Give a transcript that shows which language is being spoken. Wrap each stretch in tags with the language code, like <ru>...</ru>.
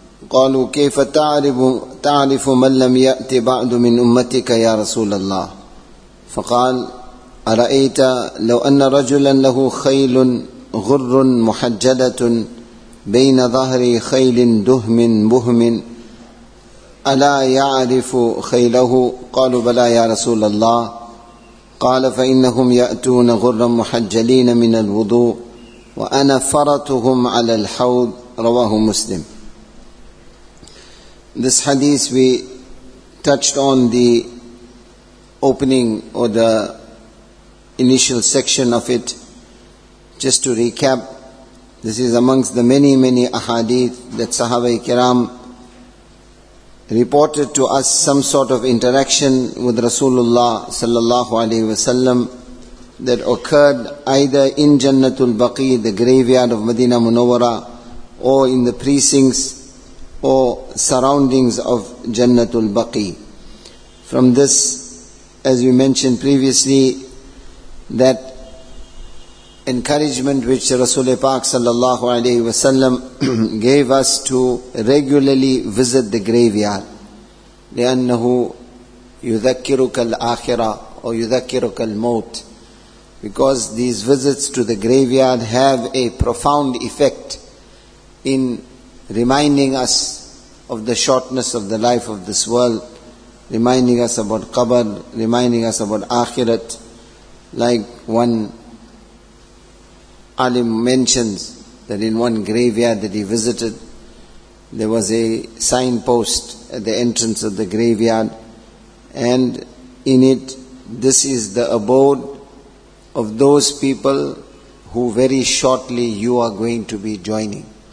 <ar>قالوا: كيف تعرف من لم يأت بعد من أمتك يا رسول الله؟ فقال: أرأيت لو أن رجلا له خيل غر محجلة بين ظهر خيل دهم بهم، ألا يعرف خيله؟ قالوا: بلى يا رسول الله. قال: فإنهم يأتون غرا محجلين من الوضوء، وأنا فرتهم على الحوض. رواه مسلم.</ar> <en>This hadith, we touched on the opening or the initial section of it. Just to recap, this is amongst the many, many ahadith that Sahaba-e-Kiram reported to us some sort of interaction with Rasulullah sallallahu alaihi wasallam that occurred either in Jannatul Baqi, the graveyard of Madina Munawwara, or in the precincts or surroundings of Jannatul Baqi. From this, as we mentioned previously, that encouragement which Rasul-e-Pak sallallahu alaihi wasallam gave us to regularly visit the graveyard.</en> <ar>لأنه يذكرك الآخرة</ar> <en>or</en> <ar>يذكرك الموت.</ar> <en>Because these visits to the graveyard have a profound effect in reminding us of the shortness of the life of this world, reminding us about qabr, reminding us about akhirat. Like one alim mentions that in one graveyard that he visited, there was a signpost at the entrance of the graveyard, and in it, this is the abode of those people who very shortly you are going to be joining.</en>